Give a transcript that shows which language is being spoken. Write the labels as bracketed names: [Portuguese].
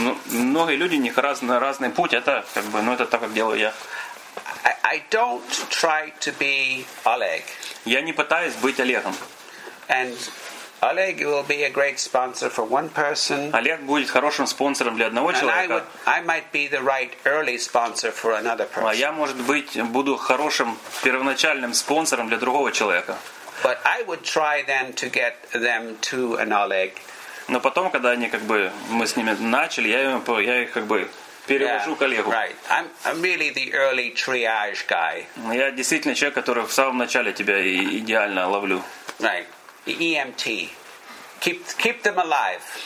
[Russian] Многие люди у них разный путь. Это как бы, ну это так как делаю я. [English] I don't try to be Oleg. [Russian] Я не пытаюсь быть Олегом. [English] And Oleg will be a great sponsor for one person. [Russian] Олег будет хорошим спонсором для одного человека. [English] And I might be the right early sponsor for another person. [Russian] А я, может быть, буду хорошим первоначальным спонсором для другого человека. [English] But I would try then to get them to an Oleg. [Russian] Но потом, когда они как бы мы с ними начали, я их как бы перевожу к Олегу. [English] Right. I'm really the early triage guy. [Russian] Я действительно человек, который в самом начале тебя идеально ловлю. [English] Right. EMT. Keep them alive.